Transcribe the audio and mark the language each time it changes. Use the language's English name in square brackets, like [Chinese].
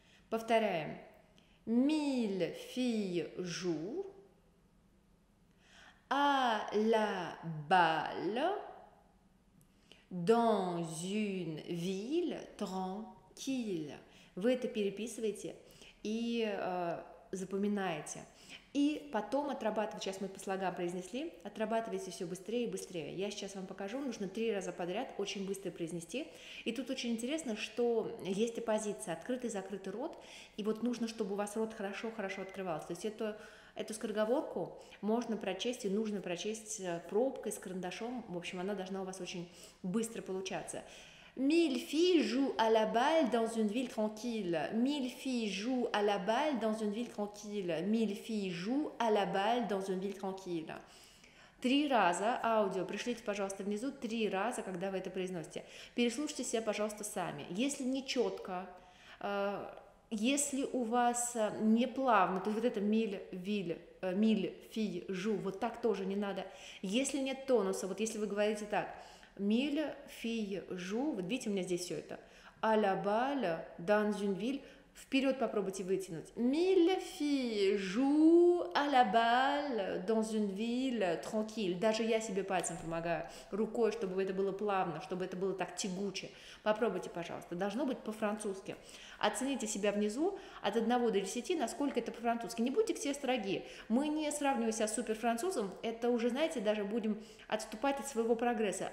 [Russian] Повторяем. [French] Mille filles jouent à la balle dans une ville tranquille. [Russian] Вы это переписываете и запоминаете. И потом отрабатывайте. Сейчас мы по слогам произнесли. Отрабатывайте все быстрее и быстрее. Я сейчас вам покажу. Нужно три раза подряд очень быстро произнести. И тут очень интересно, что есть оппозиция. Открытый, закрытый рот. И вот нужно, чтобы у вас рот хорошо-хорошо открывался. То есть эту скороговорку можно прочесть и нужно прочесть пробкой, с карандашом. В общем, она должна у вас очень быстро получаться. [French] Mille filles jouent à la balle dans une ville tranquille. Mille filles jouent à la balle dans une ville tranquille. Mille filles jouent à la balle dans une ville tranquille. [Russian] Три раза аудио. Пришлите, пожалуйста, внизу три раза, когда вы это произносите. Переслушайте себя, пожалуйста, сами. Если не четко, если у вас не плавно, то вот это [French] mille, ville, mille filles jouent, [Russian] вот так тоже не надо. Если нет тонуса, вот если вы говорите так. [French] Mille filles jouent, [Russian] вот видите, у меня здесь все это. [French] À la balle dans une ville. [Russian] Вперед попробуйте вытянуть. [French] Mille filles jouent à la balle dans une ville tranquille. [Russian] Даже я себе пальцем помогаю, рукой, чтобы это было плавно, чтобы это было так тягуче. Попробуйте, пожалуйста. Должно быть по-французски. Оцените себя внизу от 1 до 10, насколько это по-французски. Не будьте все строги. Мы не сравниваем себя с суперфранцузом. Это уже, знаете, даже будем отступать от своего прогресса.